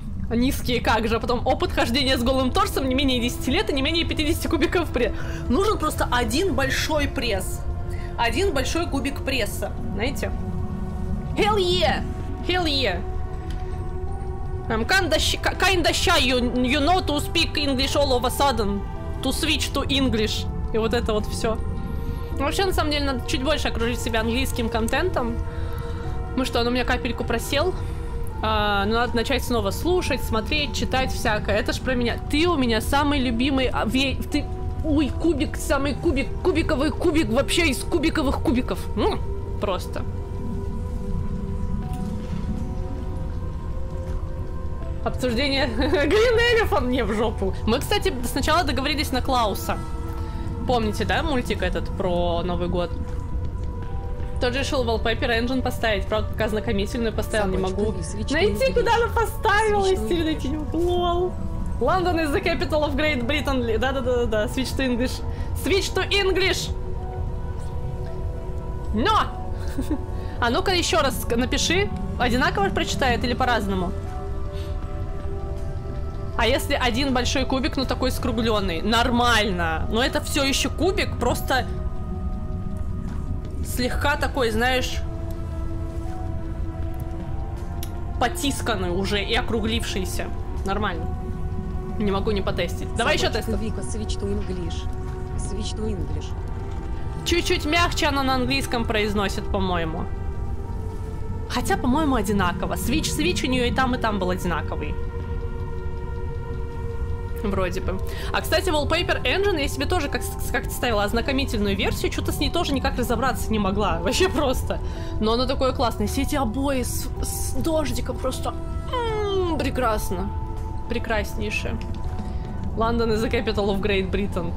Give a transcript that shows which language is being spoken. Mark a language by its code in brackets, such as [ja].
[ru] Низкие как же, а потом опыт хождения с голым торсом не менее 10 лет и не менее 50 кубиков пресса. Нужен просто один большой пресс. Один большой кубик пресса, знаете? [en] Hell yeah! Hell yeah! I'm kinda shy, you know, to speak English all of a sudden. To switch to English. [ru] И вот это вот все. Вообще, на самом деле, надо чуть больше окружить себя английским контентом. Ну что, он у меня капельку просел. Но надо начать снова слушать, смотреть, читать всякое. Это ж про меня. Ты у меня самый любимый... Ой, кубик, самый кубик. Кубиковый кубик вообще из кубиковых кубиков. Просто. Обсуждение Green Elephant мне в жопу. Мы, кстати, сначала договорились на Клауса. Помните, да, мультик этот про Новый год? Тот же решил Wallpaper Engine поставить. Правда, пока знакомительную поставил, не могу найти, куда она поставилась. Свечу или найти, лол. [en] London is the capital of Great Britain. [ru] Да-да-да-да, [en] switch to English. Switch to English! [ru] Но! А ну-ка еще раз напиши. Одинаково прочитает или по-разному? А если один большой кубик, но такой скругленный? Нормально. Но это все еще кубик, просто слегка такой, знаешь, потисканный уже и округлившийся. Нормально. Не могу не потестить. Давай еще тест. [en] Вика, switch to English. Switch to English. [ru] Чуть-чуть мягче она на английском произносит, по-моему. Хотя, по-моему, одинаково. Switch у нее и там был одинаковый. Вроде бы. А, кстати, Wallpaper Engine я себе тоже как-то ставила ознакомительную версию, что-то с ней тоже никак разобраться не могла. Вообще просто. Но оно такое классное. Все эти обои с дождиком просто... прекрасно. Прекраснейшее. [en] London is the capital of Great Britain.